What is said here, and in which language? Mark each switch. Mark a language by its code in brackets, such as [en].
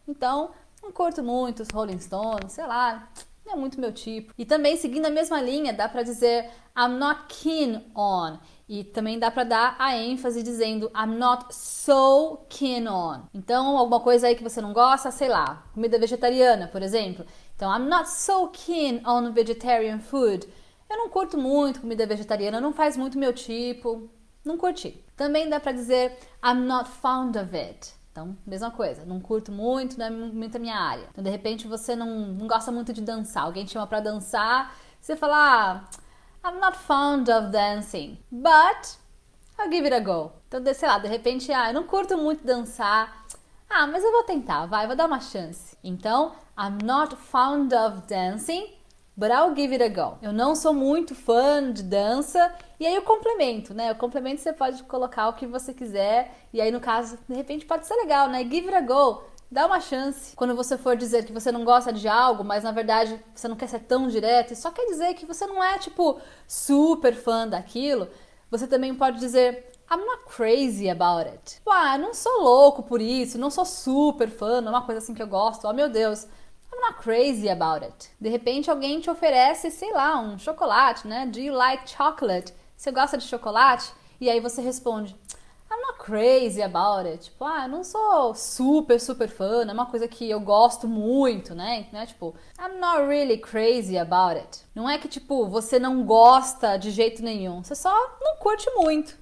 [pt] Então, não curto muito os Rolling Stones. Sei lá. Não é muito meu tipo. E também, seguindo a mesma linha, dá pra dizer: [en] I'm not keen on. [pt] E também dá para dar a ênfase dizendo [en] I'm not so keen on. [pt] Então, alguma coisa aí que você não gosta, sei lá, comida vegetariana, por exemplo. [en] Então, I'm not so keen on vegetarian food. [pt] Eu não curto muito comida vegetariana, não faz muito meu tipo. Não curti. Também dá para dizer [en] I'm not fond of it. [pt] Então, mesma coisa, não curto muito, não é muito a minha área. Então, de repente, você não gosta muito de dançar. Alguém te chama para dançar, você fala: ah, [en] I'm not fond of dancing, but I'll give it a go. [pt] Então, sei lá, de repente, ah, eu não curto muito dançar. Ah, mas eu vou tentar, vai, vou dar uma chance. [en] Então, I'm not fond of dancing, but I'll give it a go. [pt] Eu não sou muito fã de dança. E aí, o complemento, né? O complemento você pode colocar o que você quiser. E aí, no caso, de repente, pode ser legal, né? [en] Give it a go. [pt] Dá uma chance. Quando você for dizer que você não gosta de algo, mas na verdade você não quer ser tão direto e só quer dizer que você não é, tipo, super fã daquilo, você também pode dizer: [en] I'm not crazy about it. [pt] Uai, não sou louco por isso, não sou super fã, não é uma coisa assim que eu gosto. [en] Oh, [pt] meu Deus, [en] I'm not crazy about it. [pt] De repente alguém te oferece, sei lá, um chocolate, né? [en] Do you like chocolate? [pt] Você gosta de chocolate? E aí você responde: [en] I'm not crazy about it. [pt] Tipo, ah, eu não sou super, super fã, não é uma coisa que eu gosto muito, né? Não é tipo, [en] I'm not really crazy about it. [pt] Não é que, tipo, você não gosta de jeito nenhum, você só não curte muito.